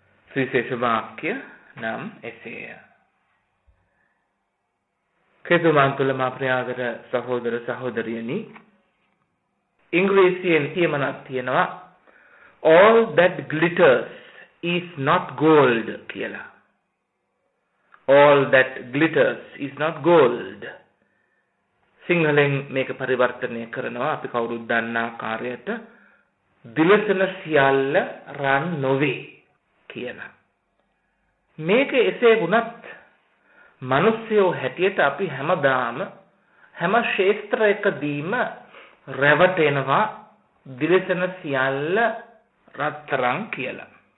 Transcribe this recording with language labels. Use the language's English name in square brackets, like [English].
[Sinhala] සුවිශේෂ වාක්‍ය නම් එසේය. කේතුමාන් තුළ මා ප්‍රියාදර සහෝදර සහෝදරියනි, ඉංග්‍රීසියෙන් කියමනක් තියෙනවා [English] All that glitters is not gold [Sinhala] කියලා. [English] All that glitters is not gold. [Sinhala] සිංහලෙන් මේක පරිවර්තනය කරනවා අපි කවුරුත් දන්නා කාර්යයට දිලසන සියල්ල රන් නොවේ කියලා. මේක එසේ වුණත් මිනිස්යෝ හැටියට අපි හැමදාම හැම ශේත්‍රයකදීම රැවටෙනවා දිලසන සියල්ල රත්තරන් කියලා.